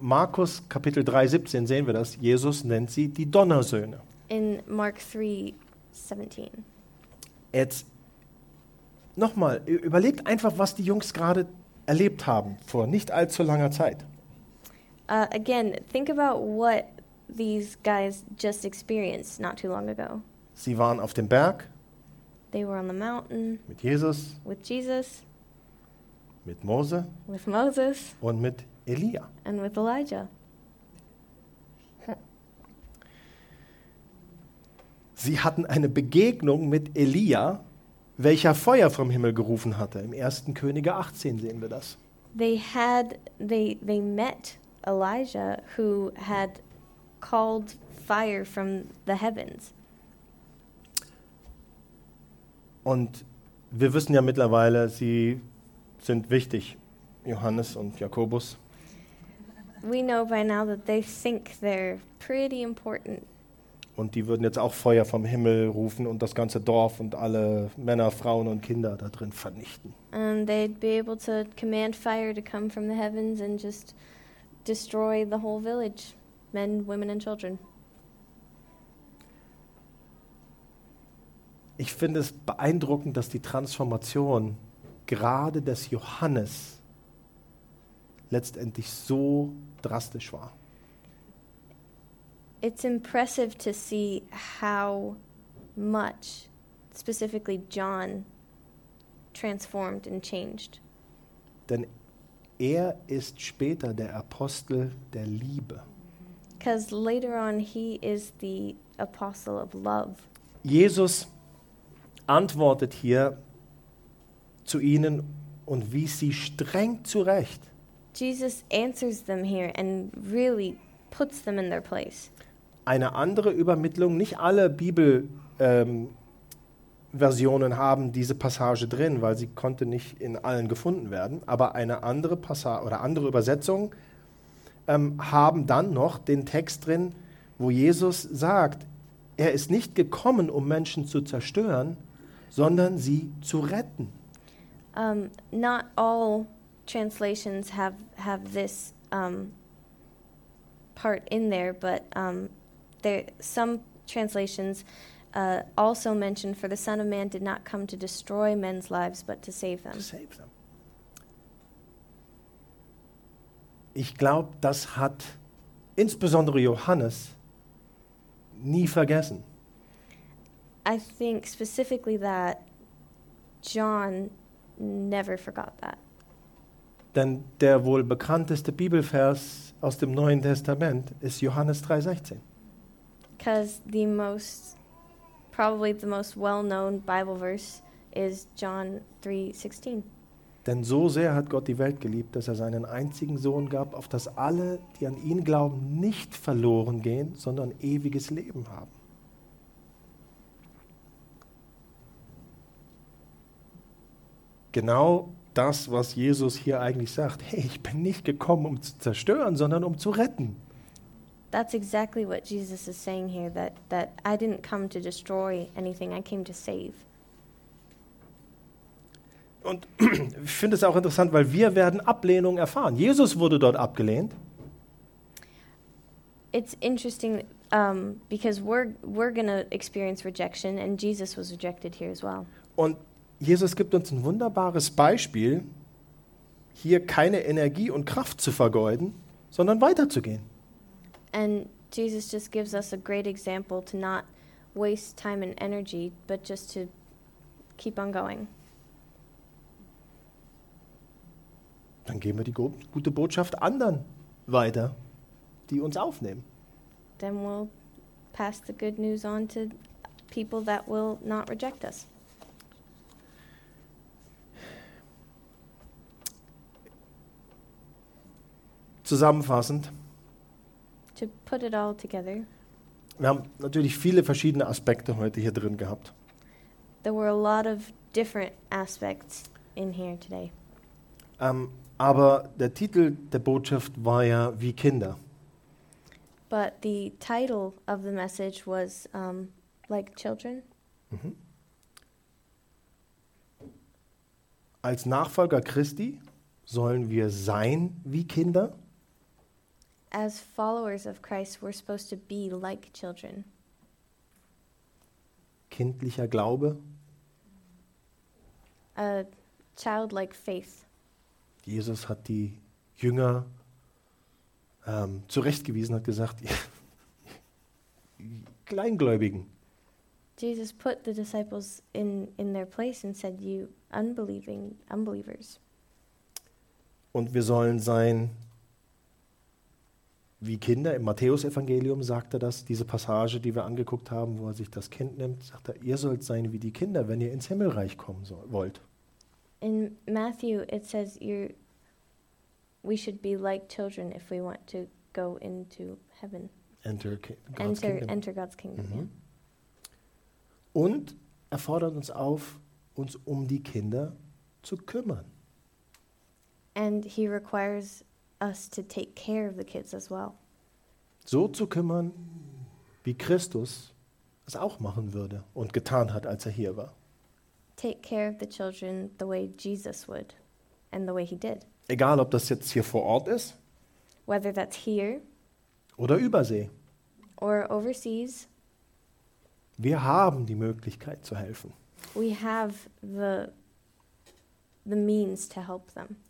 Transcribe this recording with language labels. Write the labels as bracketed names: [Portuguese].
[German] Markus Kapitel 3, 17 sehen wir das. Jesus nennt sie die Donnersöhne. [English] In Mark 3, 17. [German] Jetzt nochmal, überlegt einfach, was die Jungs gerade erlebt haben vor nicht allzu langer Zeit. [English] Again, think about what these guys just experienced not too long ago. [German] Sie waren auf dem Berg. [English] They were on the mountain. [German] Mit Jesus. [English] With Jesus. [German] Mit Mose. [English] With Moses. [German] Und mit Elia. [English] And with Elijah. [German] Sie hatten eine Begegnung mit Elia, welcher Feuer vom Himmel gerufen hatte. Im 1. Könige 18 sehen wir das. [English] They met Elijah, who had called fire from the heavens. [German] Und wir wissen ja mittlerweile, sie sind wichtig, Johannes und Jakobus. [English] We know by now that they think they're pretty important. [German] Und die würden jetzt auch Feuer vom Himmel rufen und das ganze Dorf und alle Männer, Frauen und Kinder da drin vernichten. [English] And they'd be able to command fire to come from the heavens and just destroy the whole village, men, women and children. [German] Ich finde es beeindruckend, dass die Transformation gerade des Johannes letztendlich so drastisch war. [English] It's impressive to see how much specifically John transformed and changed. [German] Denn er ist später der Apostel der Liebe. [English] Because later on he is the apostle of love. [German] Jesus antwortet hier zu ihnen und wies sie streng zurecht. [English] Jesus answers them here and really puts them in their place. [German] Eine andere Übermittlung, nicht alle Bibelversionen haben diese Passage drin, weil sie konnte nicht in allen gefunden werden, aber eine andere Passage oder andere Übersetzung haben dann noch den Text drin, wo Jesus sagt, er ist nicht gekommen, um Menschen zu zerstören, sondern sie zu retten. [English] Not all translations have this part in there, but there some translations also mention, for the Son of Man did not come to destroy men's lives, but to save them. To save them. [German] Ich glaube, das hat insbesondere Johannes nie vergessen. [English] I think specifically that John never forgot that. [German] Denn der wohl bekannteste Bibelvers aus dem Neuen Testament ist Johannes 3:16. [English] Because probably the most well-known Bible verse is John 3:16. [German] Denn so sehr hat Gott die Welt geliebt, dass er seinen einzigen Sohn gab, auf dass alle, die an ihn glauben, nicht verloren gehen, sondern ewiges Leben haben. Genau das, was Jesus hier eigentlich sagt. Hey, ich bin nicht gekommen, um zu zerstören, sondern um zu retten. [English] That's exactly what Jesus is saying here, that I didn't come to destroy anything, I came to save. [German] Und ich finde es auch interessant, weil wir werden Ablehnung erfahren. Jesus wurde dort abgelehnt. [English] It's interesting, because we're going to experience rejection, and Jesus was rejected here as well. [German] Und Jesus gibt uns ein wunderbares Beispiel, hier keine Energie und Kraft zu vergeuden, sondern weiterzugehen. [English] And Jesus just gives us a great example to not waste time and energy, but just to keep on going. [German] Dann geben wir die gute Botschaft anderen weiter, die uns aufnehmen. [English] Then we'll pass the good news on to people that will not reject us. [German] Zusammenfassend. [English] To put it all together. [German] Wir haben natürlich viele verschiedene Aspekte heute hier drin gehabt. [English] There were a lot of different aspects in here today. [German] Aber der Titel der Botschaft war ja wie Kinder. [English] But the title of the message was like children. Mhm. [German] Als Nachfolger Christi sollen wir sein wie Kinder. [English] As followers of Christ, we're supposed to be like children. [German] Kindlicher Glaube. [English] A childlike faith. [German] Jesus hat die Jünger zurechtgewiesen, hat gesagt, Kleingläubigen. [English] Jesus put the disciples in their place and said, you unbelieving unbelievers. [German] Und wir sollen sein wie Kinder. Im Matthäusevangelium sagt er das, diese Passage, die wir angeguckt haben, wo er sich das Kind nimmt, sagt er, ihr sollt sein wie die Kinder, wenn ihr ins Himmelreich kommen wollt. [English] In Matthew it says we should be like children if we want to go into heaven. Enter God's kingdom. Mhm. [German] Und er fordert uns auf, uns um die Kinder zu kümmern. [English] And he requires us to take care of the kids as well. [German] So zu kümmern, wie Christus es auch machen würde und getan hat, als er hier war. [English] Take care of the children the way Jesus would and the way he did. [German] Egal, ob das jetzt hier vor Ort ist. [English] Whether that's here. [German] Oder Übersee. [English] Or overseas. [German] Wir haben die Möglichkeit zu helfen. [English] We have the means to help them.